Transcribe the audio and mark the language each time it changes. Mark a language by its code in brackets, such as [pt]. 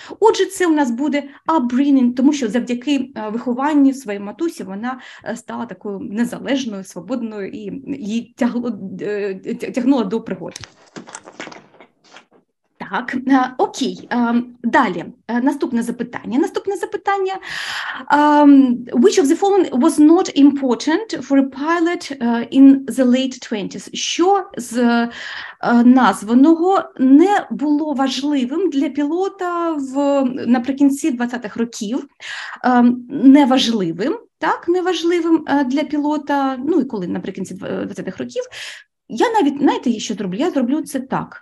[uk] Отже, це у нас буде upbringing, тому що завдяки вихованню своєї матусі вона стала такою незалежною, свободною і її тягнула до пригод. Так, окей, далі, наступне запитання. Наступне запитання. [en] Which of the following was not important for a pilot in the late 20s? [uk] Що з названого не було важливим для пілота наприкінці 20-х років? Неважливим, так, неважливим для пілота, ну і коли наприкінці 20-х років? Я навіть, знаєте, що зроблю? Я зроблю це так.